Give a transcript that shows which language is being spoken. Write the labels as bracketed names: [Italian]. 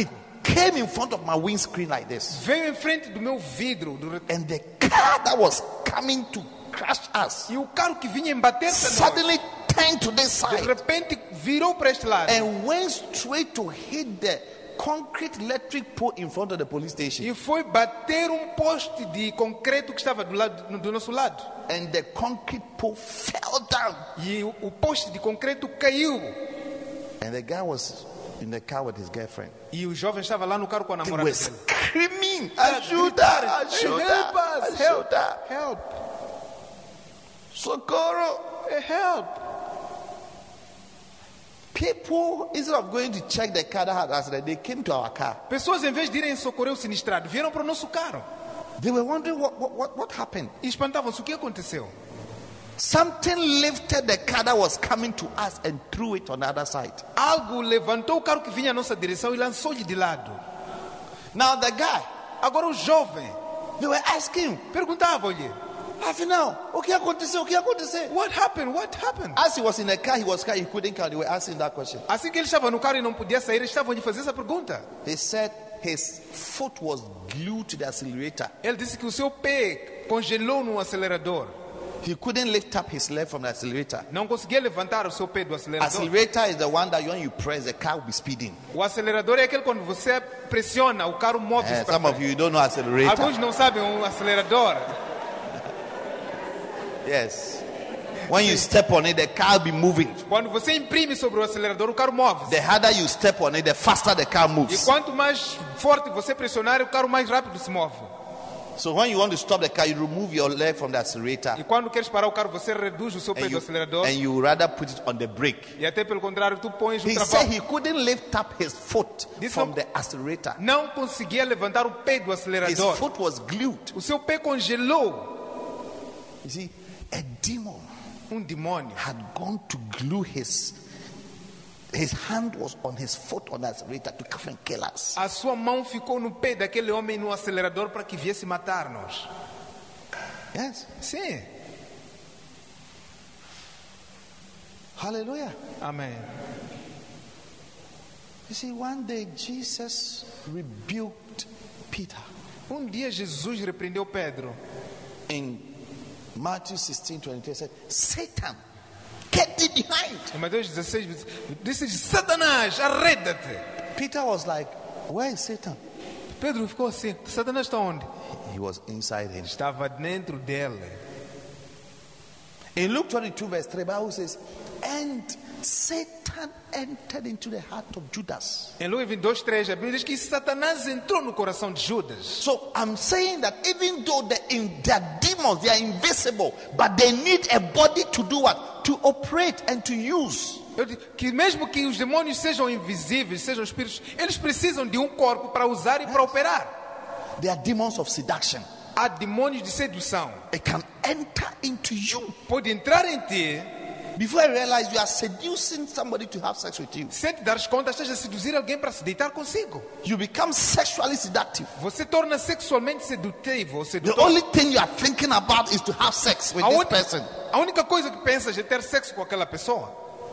[English] It came in front of my windscreen like this. [Portuguese] Veio em frente do meu vidro. [English] And the car that was coming to crush us. [Portuguese] E o carro que vinha embater [English] suddenly turned to this side. [Portuguese] De repente virou para este lado. [English] And went straight to hit the concrete electric pole in front of the police station. [Portuguese] E foi bater poste de concreto que estava do nosso lado. [English] And the concrete pole fell down. [Portuguese] E o poste de concreto caiu. [English] And the guy was in the car with his girlfriend. [Portuguese] E o jovem estava lá no carro com a namorada. [English] They were screaming, [Portuguese] ajuda, ajuda, [English] help us, [Portuguese] ajuda, [English] help, [Portuguese] socorro, [English] help. People, instead of going to check the car that had accident, they came to our car. [Portuguese] Pessoas, em vez de irem socorrer o sinistrado, vieram para o nosso carro. [English] They were wondering what happened. [Portuguese] E espantavam-se, o que aconteceu? [English] Something lifted the car that was coming to us and threw it on the other side. [Portuguese] Algo levantou o carro que vinha à nossa direção e lançou-lhe de lado. [English] Now the guy, [Portuguese] agora o jovem, [English] they were asking, [Portuguese] perguntavam-lhe. Afinal, o que aconteceu? O que aconteceu? [English] What happened? What happened? As he was in the car, he couldn't count. They were asking that question. [Portuguese] Assim que ele estava no carro e não podia sair, estavam a fazer essa pergunta. [English] He said his foot was glued to the accelerator. [Portuguese] Ele disse que o seu pé congelou no acelerador. [English] He couldn't lift up his leg from the accelerator. [Portuguese] Não conseguia levantar o seu pé do acelerador. [English] Accelerator is the one that when you press, the car will be speeding. [Portuguese] O acelerador é aquele quando você pressiona, o carro move. [English] Some of you don't know accelerator. [Portuguese] Alguns não sabem o acelerador. [English] Yes. When you step on it, the car will be moving. [Portuguese] Quando você imprime sobre o acelerador, o carro move. [English] The harder you step on it, the faster the car moves. [Portuguese] E quanto mais forte você pressionar, o carro mais rápido se move. [English] So when you want to stop the car, you remove your leg from the accelerator. [Portuguese] E quando queres parar o carro, você reduz o seu pé do acelerador. [English] And you rather put it on the brake. [Portuguese] E até pelo contrário, tu pões o travão. [English] He said he couldn't lift up his foot from the accelerator. [Portuguese] Não conseguia levantar o pé do acelerador. [English] His foot was glued. [Portuguese] O seu pé congelou. [English] You see? A demon, [Portuguese] um demônio, [English] had gone to glue his hand was on his foot on the accelerator to come and kill us. [Portuguese] A sua mão ficou no pé daquele homem no acelerador para que viesse matar-nos. [English] Yes. [Portuguese] Sim. [English] Hallelujah. Amen. You see, one day Jesus rebuked Peter. [Portuguese] Um dia Jesus repreendeu Pedro. [English] In Matthew 16:23 said, "Satan, get thee behind." In Matthew 16, this is [Portuguese] Satanás, arreda-te. [English] Peter was like, "Where is Satan?" [Portuguese] Pedro ficou assim. Satanás está onde? [English] He was inside him. [Portuguese] Estava dentro dele. [English] In Luke 22:3, the Bible says, "And Satan entered into the heart of Judas." [Portuguese] Em Luke 22:3, a Bíblia diz que Satanás entrou no coração de Judas. [English] So I'm saying that even though the demons, they are invisible, but they need a body to do what? To operate and to use. [Portuguese] Eu digo que mesmo que os demônios sejam invisíveis, sejam espíritos, eles precisam de corpo para usar e para operar. [English] They are demons of seduction. [Portuguese] Há demônios de sedução. [English] It can enter into you. [Portuguese] Pode entrar em ti. [English] Before I realize you are seducing somebody to have sex with you. [Portuguese] Sem te dar conta, estás a seduzir alguém para se deitar consigo. [English] You become sexually seductive. [Portuguese] Você torna sexualmente sedutivo. [English] The only thing you are thinking about is to have sex with this person. [Portuguese] A única coisa que pensas é ter sexo com aquela pessoa.